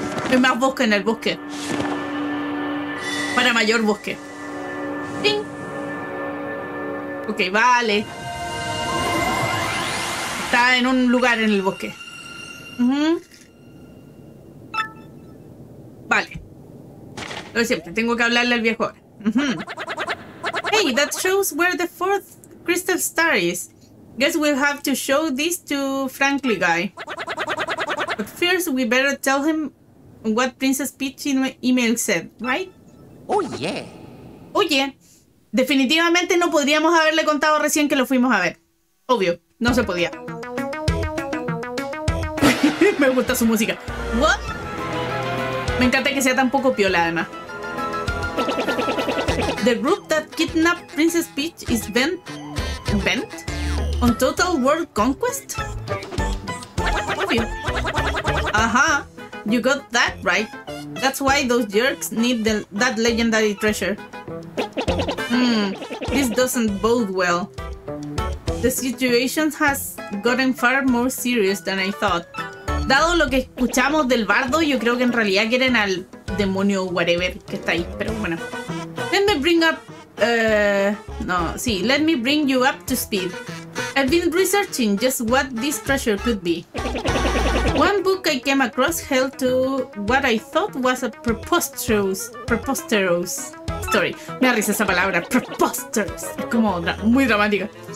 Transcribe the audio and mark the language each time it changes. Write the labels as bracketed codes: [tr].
[es] Hay más bosque en el bosque. Para mayor bosque. ¡Ting! Ok, vale. Está en un lugar en el bosque. Uh-huh. Vale. Lo de siempre, tengo que hablarle al viejo ahora. Uh-huh. [en] Hey, that shows where the fourth crystal star is. Guess we'll have to show this to Frankly Guy. But first, we better tell him what Princess Peach in my email said, right? Oh, yeah. Oh, yeah. [es] Definitivamente no podríamos haberle contado recién que lo fuimos a ver. Obvio, no se podía. Me gusta su música. [en] What? [es] Me encanta que sea tan poco piola, además. [en] The group that kidnapped Princess Peach is bent. Bent? ¿On Total World Conquest? [es] Obvio. Ajá. [en] You got that right. That's why those jerks need the, that legendary treasure. Hmm, this doesn't bode well. The situation has gotten far more serious than I thought. [es] Dado lo que escuchamos del bardo, yo creo que en realidad quieren al demonio whatever que está ahí, pero bueno. [en] Let me bring up... let me bring you up to speed. I've been researching just what this treasure could be. One book I came across held to what I thought was a preposterous story. [es] Me da risa esa palabra, preposterous. Es como muy dramática.